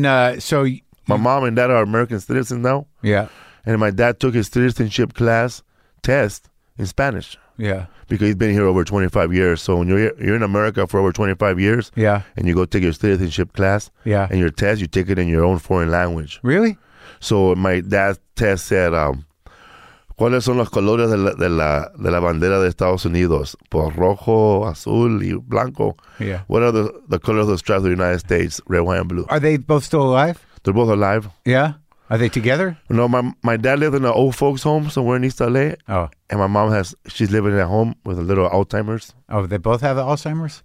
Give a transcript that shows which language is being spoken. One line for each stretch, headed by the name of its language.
English: my mom and dad are American citizens now. Yeah. And my dad took his citizenship class test in Spanish. Yeah. Because he's been here over 25 years. So when you're in America for over 25 years, and you go take your citizenship class, and your test, you take it in your own foreign language. Really? So my dad's test said,
Spanish: ¿Cuáles son los colores de la bandera de Estados Unidos? Por rojo, azul, y blanco.
English: Yeah. What are the colors of the stripes of the United States? Red, white, and blue. Are they both still alive? They're both alive. Yeah. Are they together? No, my dad lived in an old folks home somewhere in East LA. Oh. And my mom she's living at home with a little Alzheimer's. Oh, they both have Alzheimer's?